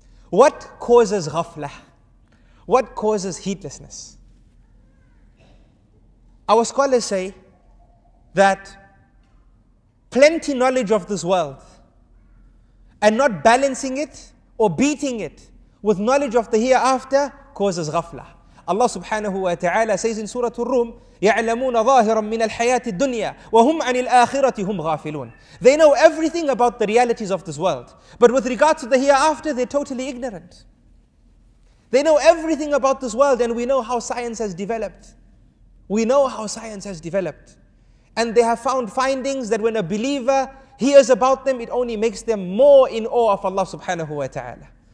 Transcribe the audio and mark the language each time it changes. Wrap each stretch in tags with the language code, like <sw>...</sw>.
<en>What causes ghafla? What causes heedlessness? Our scholars say that plenty knowledge of this world and not balancing it or beating it with knowledge of the hereafter causes ghafla. Allah subhanahu wa ta'ala says in Surah Ar-Rum,</en> <ar>يَعْلَمُونَ ظَاهِرًا مِنَ الْحَيَاةِ الدُّنْيَا وَهُمْ عَنِ الْآخِرَةِ هُمْ غَافِلُونَ.</ar> <en>They know everything about the realities of this world, but with regards to the hereafter, they're totally ignorant. They know everything about this world, and we know how science has developed. We know how science has developed. And they have found findings that when a believer hears about them, it only makes them more in awe of Allah subhanahu wa ta'ala.</en>